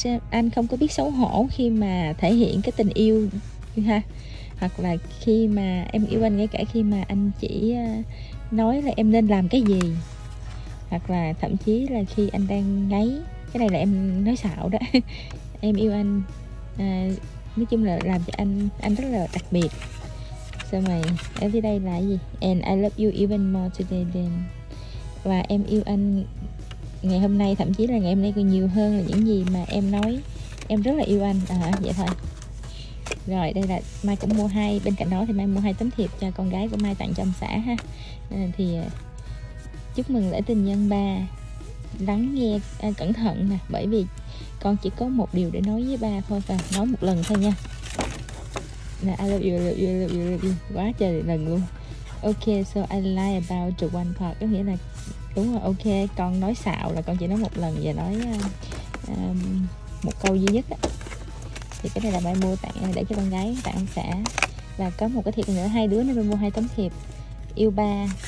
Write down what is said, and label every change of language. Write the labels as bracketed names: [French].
[Vietnamese] anh không có biết xấu hổ khi mà thể hiện cái tình yêu ha, hoặc là khi mà em yêu anh ngay cả khi mà anh chỉ nói là em nên làm cái gì, hoặc là thậm chí là khi anh đang ngáy. Cái này là em nói xạo đó. Em yêu anh, nói chung là làm cho anh rất là đặc biệt. Sao mày ở phía đây là gì? [English] And I love you even more today than. [Vietnamese] Và em yêu anh ngày hôm nay, thậm chí là ngày hôm nay còn nhiều hơn là những gì mà em nói. Em rất là yêu anh à, vậy thôi. Rồi đây là Mai cũng mua hai, bên cạnh đó thì Mai mua hai tấm thiệp cho con gái của Mai tặng cho ông xã ha. Thì chúc mừng lễ tình nhân ba, lắng nghe cẩn thận nè, bởi vì con chỉ có một điều để nói với ba thôi, và nói một lần thôi nha. [English] Nè, I love you, I love you, I love you, I love you. [Vietnamese] Quá trời lần luôn. [English] Ok, so I lie about the one part. [Vietnamese] Có nghĩa là đúng rồi, ok, con nói xạo là con chỉ nói một lần và nói một câu duy nhất á. Thì cái này là Mai mua tặng để cho con gái tặng ông xã. Và có một cái thiệp nữa, hai đứa nên mua hai tấm thiệp. Yêu ba.